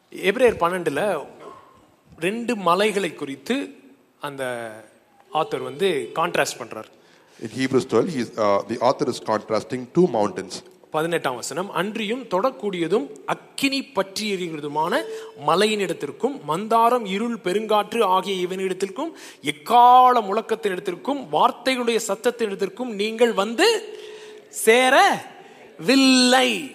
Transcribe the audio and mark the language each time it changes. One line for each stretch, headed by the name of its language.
Tamil: எபிரேயர் 12ல ரெண்டு மலைகளை குறித்து அந்த ஆத்தர் வந்து கான்ட்ராஸ்ட் பண்றார்.
English: In Hebrews 12, the author is contrasting two mountains.
Tamil: 18th வசனம், அன்றியும் தொடக்கூடியதும் அக்கினி பற்றி எரிகிறதுமான மலையின் இடத்திற்கும், மந்தாரம் இருள் பெருங்காற்று ஆகிய இவனிடத்திற்கும், எக்கால முழக்கத்தின் இடத்திற்கும், வார்த்தைகளுடைய சத்தத்தின் இடத்திற்கும் நீங்கள் வந்து சேரவில்லை.